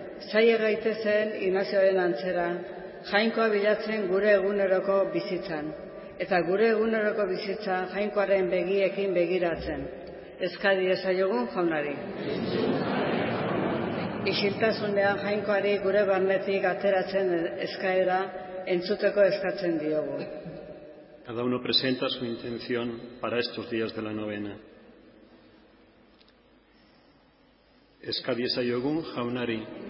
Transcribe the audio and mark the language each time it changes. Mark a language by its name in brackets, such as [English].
[Basque] Zaie gaitezen Ignazioaren antzera, Jainkoa bilatzen gure eguneroko bizitzan, eta gure eguneroko bizitza Jainkoaren begiekin begiratzen. Eskadi ezaiogun jaunari. Isiltasunean Jainkoari gure barnetik ateratzen eskaera entzuteko eskatzen diogu. [Spanish] Cada uno presenta su intención para estos días de la novena. [Basque] Eskadi ezaiogun jaunari.